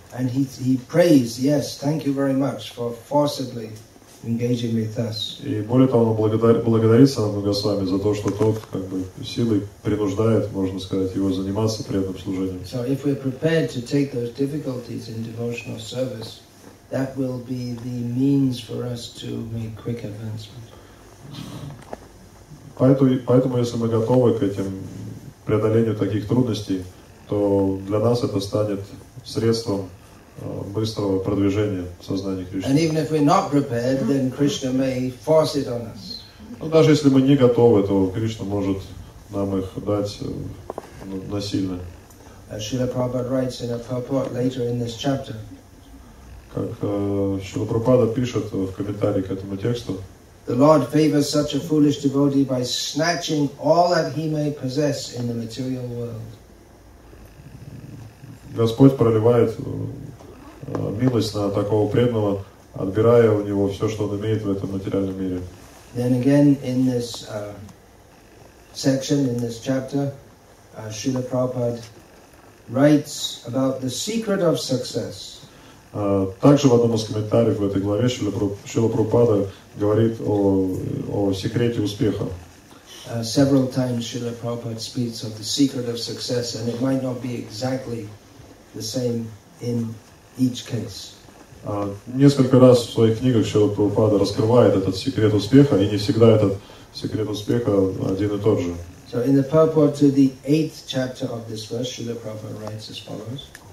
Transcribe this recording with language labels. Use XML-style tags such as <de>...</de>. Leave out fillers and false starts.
<en>And he prays, yes, thank you very much for forcibly engaging with us.</en> <ru>И более того, он благодарит Санатану Госвами за то, что тот как бы силой принуждает, можно сказать, его заниматься преданным служением.</ru> <en>So if we're prepared to take those difficulties in devotional service, that will be the means for us to make quick advancement.</en> <ru>Поэтому, если мы готовы к этим преодолению таких трудностей, то для нас это станет средством быстрого продвижения сознания Кришны.</ru> <en>And even if we're not prepared, then Krishna may force it on us.</en> <ru>Но даже если мы не готовы, то Кришна может нам их дать насильно.</ru> <en>As Srila Prabhupada writes in a purport later in this chapter.</en> <ru>Как Шрила Прабхупада пишет в комментарии к этому тексту.</ru> <en>The Lord favors such a foolish devotee by snatching all that he may possess in the material world.</en> <ru>Господь проливает милость на такого преданного, отбирая у него все, что он имеет в этом материальном мире.</ru> <en>Then again, in this section, in this chapter, Srila Prabhupada writes about the secret of success.</en> <ru>Также в одном из комментариев в этой главе Шрила Прабхупада говорит о секрете успеха.</ru> <en>Several times Srila Prabhupada speaks of the secret of success, and it might not be exactly the same in each case.</en> <ru>Несколько раз в своих книгах Шрила Прабхупада раскрывает этот секрет успеха, и не всегда этот секрет успеха один и тот же.</ru> <en>So in the purport to the 8th chapter of this verse, Srila Prabhupada writes as follows.</en>